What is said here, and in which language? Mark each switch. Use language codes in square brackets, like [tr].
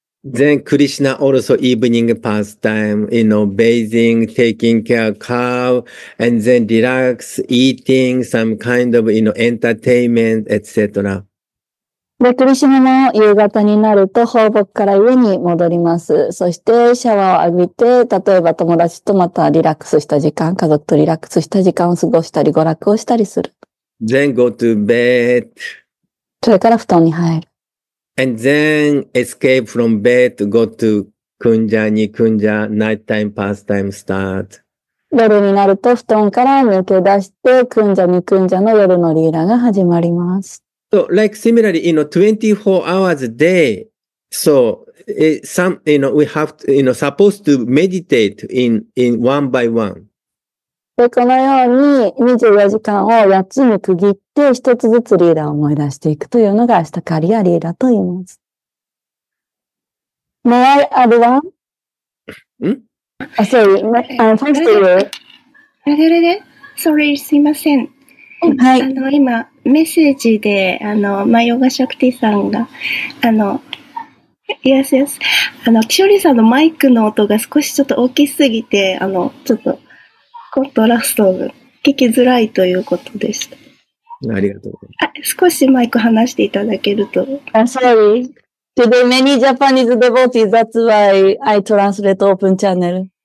[en] Then Krishna also evening pastime, you know, bathing, taking care of cow, and then relax, eating some kind of, you know, entertainment, etc. [ja] で、クリシナも夕方になると放牧から家に戻ります。そしてシャワーを浴びて、例えば友達とまたリラックスした時間、家族とリラックスした時間を過ごしたり、娯楽をしたりする。 [en] Then go to bed. [ja] それから布団に入る。 [en] And then escape from bed, go to kunja, ni kunja, nighttime pastime start. [ja] 夜になると布団から抜け出して、kunja, ni kunja の夜のリーラが始まります。 [en] So, like similarly, you know, 24 hours a day, so, some, you know, we have to, you know, supposed to meditate in one by one. [ja] で、このように24時間を8つに区切って一つずつリーダーを思い出していくというのがアシタカリアリーダーと言います。 [en] May I add one? ん? [ja] あ、そう、 [en] thanks to you. [ja] あれれれ? [en] Sorry, [ja] すいません。はい。今、メッセージで、マヨガシャクティさんが、 [en] yes, yes. [ja] キショリさんのマイクの音が少しちょっと大きすぎて、ちょっと、コントラストを聞きづらいということでした。ありがとうございます。少しマイク離していただけると。 [en] I'm sorry. Today many Japanese devotees, that's why I translate open channel.